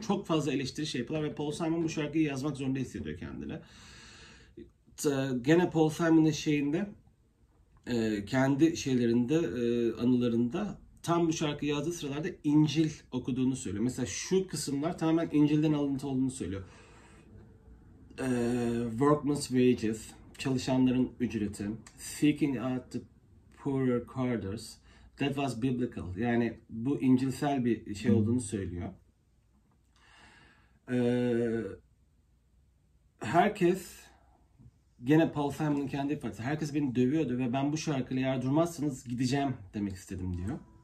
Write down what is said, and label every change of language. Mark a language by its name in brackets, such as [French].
[Turkish] Çok fazla eleştiri şey yapıyorlar ve Paul Simon bu şarkıyı yazmak zorunda hissediyor kendini. Gene Paul Simon'ın şeyinde, kendi şeylerinde, anılarında tam bu şarkıyı yazdığı sıralarda İncil okuduğunu söylüyor. Mesela şu kısımlar tamamen İncil'den alıntı olduğunu söylüyor. [English] Workman's wages, [Turkish] çalışanların ücreti, [English] seeking out the poorer quarters, that was biblical. [Turkish] Yani bu İncilsel bir şey olduğunu söylüyor. Herkes... Gene Paul Simon'ın kendi ifadesi. Herkes beni dövüyordu ve ben bu şarkıyla yer durmazsanız gideceğim demek istedim diyor.